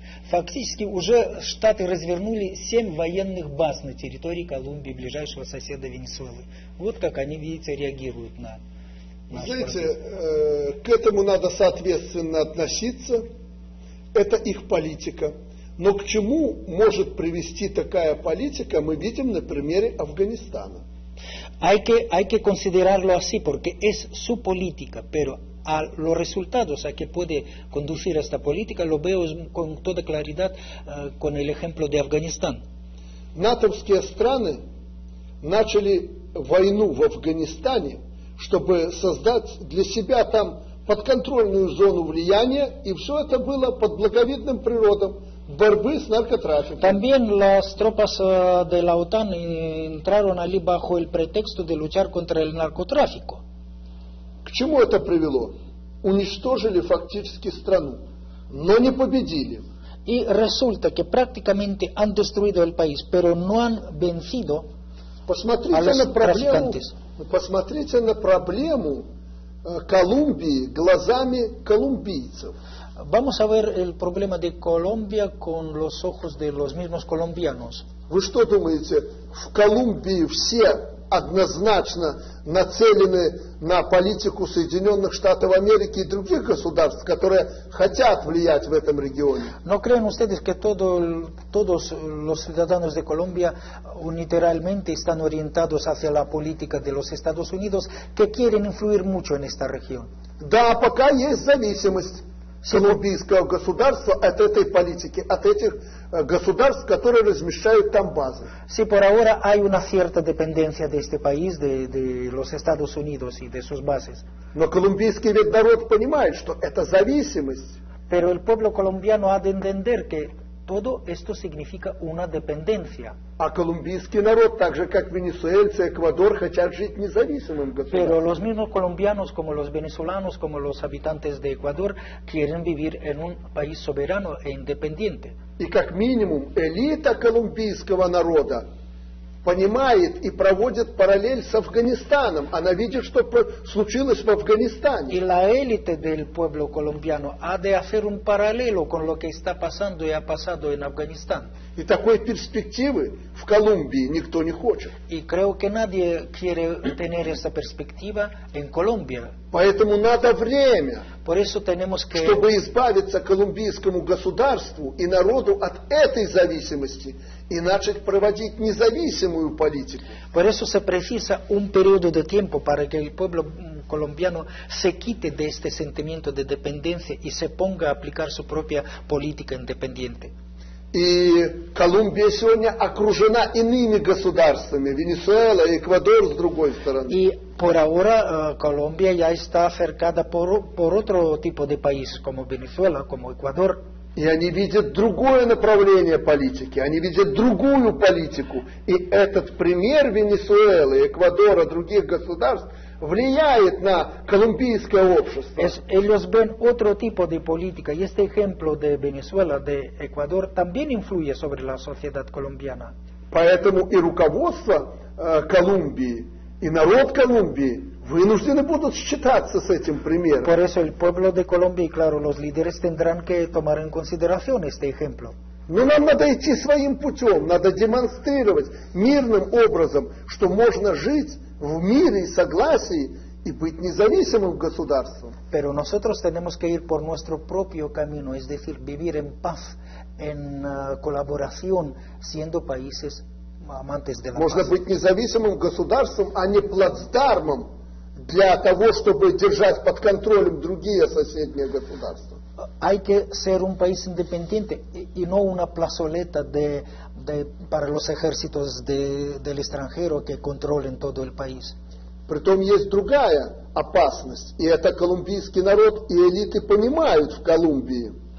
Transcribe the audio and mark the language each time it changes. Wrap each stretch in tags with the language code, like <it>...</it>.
<ru>Фактически уже штаты развернули 7 военных баз на территории Колумбии, ближайшего соседа Венесуэлы. Вот как они, видите, реагируют на... Знаете, к этому надо соответственно относиться, это их политика. Но к чему может привести такая политика, мы видим на примере Афганистана.</ru> <es>Hay que considerarlo así, porque es su política, pero a los resultados a que puede conducir esta política lo veo con toda claridad con el ejemplo de Afganistán.</es> <ru>НАТОвские страны начали войну в Афганистане, чтобы создать для себя там подконтрольную зону влияния, и все это было под благовидным природом борьбы с наркотрафиком.</ru> <es>También las tropas de la OTAN entraron allí bajo el pretexto de luchar contra el narcotráfico.</es> <ru>К чему это привело? Уничтожили фактически страну, но не победили.</ru> <es>Y resulta que prácticamente han destruido el país, pero no han vencido.</es> <ru>Посмотрите на проблему Колумбии глазами колумбийцев.</ru> <es>Vamos a ver el problema de Colombia con los ojos de los mismos colombianos.</es> <ru>Вы что думаете, в Колумбии все однозначно нацелены на политику Соединенных Штатов Америки и других государств, которые хотят влиять в этом регионе? Но</ru> <es>creen ustedes que todos los ciudadanos de Colombia unilateralmente están orientados hacia la política de los Estados Unidos, que quieren influir mucho en esta región?</es> <ru>Да, пока есть зависимость колумбийского государства от этой политики, от этих государств, которые размещают там базы.</ru> <es>Sí, por ahora hay una cierta dependencia de este país, de los Estados Unidos y de sus bases.</es> <ru>Но колумбийский ведь народ понимает, что это зависимость.</ru> <es>Pero el pueblo colombiano ha de entender que todo esto significa una dependencia.</es> <ru>А колумбийский народ, так же как венесуэльцы, Эквадор, хотят жить независимым государством.</ru> <es>Pero los mismos colombianos, como los venezolanos, como los habitantes de Ecuador, quieren vivir en un país soberano e independiente.</es> <ru>И как минимум элита колумбийского народа понимает и проводит параллель с Афганистаном. Она видит, что случилось в Афганистане. И</ru> <es>la élite del pueblo colombiano ha de hacer un paralelo con lo que está pasando y ha pasado en Afganistán.</es> <ru>И такой перспективы в Колумбии никто не хочет.</ru> <es>Y creo que nadie quiere tener esa perspectiva en Colombia.</es> <ru>Поэтому надо время,</ru> <es>Por eso tenemos que...</es> <ru>чтобы избавиться колумбийскому государству и народу от этой зависимости и начать проводить независимую политику.</ru> <es>Por eso se precisa un periodo de tiempo para que el pueblo colombiano se quite de este sentimiento de dependencia y se ponga a aplicar su propia política independiente.</es> <ru>И Колумбия сегодня окружена иными государствами, Венесуэла и Эквадор с другой стороны. И</ru> <es>por ahora Colombia ya está cercada por otro tipo de país, como Venezuela, como Ecuador.</es> <ru>И они видят другое направление политики, они видят другую политику. И этот пример Венесуэлы, Эквадора, других государств влияет на колумбийское общество.</ru> <es>Ellos ven otro tipo de política, y este ejemplo de Venezuela, de Ecuador, también influye sobre la sociedad colombiana.</es> <ru>Поэтому и руководство Колумбии, и народ Колумбии вынуждены будут считаться с этим примером.</ru> <es>Por eso el pueblo de Colombia, y claro, los líderes tendrán que tomar en consideración este ejemplo.</es> <ru>Но нам надо идти своим путем, надо демонстрировать мирным образом, что можно жить в мире и согласии и быть независимым государством.</ru> <es>Pero nosotros tenemos que ir por nuestro propio camino, es decir, vivir en paz, en colaboración, siendo países amantes de la paz.</es> <ru>Можно быть независимым государством, а не плацдармом для того, чтобы держать под контролем другие соседние государства.</ru> <es>Hay que ser un país independiente y no una plazoleta para los ejércitos del extranjero que controlen todo el país.</es> <ru>Притом есть другая опасность, и это колумбийский народ и элиты понимают в Колумбии.</ru>